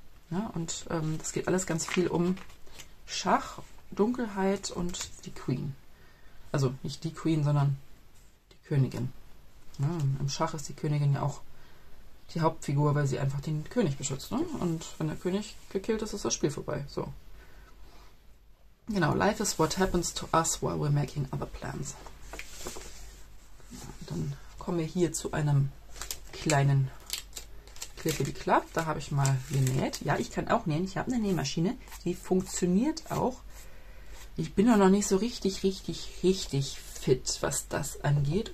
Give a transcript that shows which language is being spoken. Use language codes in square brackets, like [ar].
[de] Ja, und das geht alles ganz viel um Schach, Dunkelheit und die Queen. Also nicht die Queen, sondern die Königin. Ja, im Schach ist die Königin ja auch die Hauptfigur, weil sie einfach den König beschützt. Ne? Und wenn der König gekillt ist, ist das Spiel vorbei. So. Genau, [en] life is what happens to us while we're making other plans. [de] Dann kommen wir hier zu einem kleinen Klippeli-Klapp. Da habe ich mal genäht. Ja, ich kann auch nähen. Ich habe eine Nähmaschine, die funktioniert auch. Ich bin noch nicht so richtig, richtig, richtig fit, was das angeht.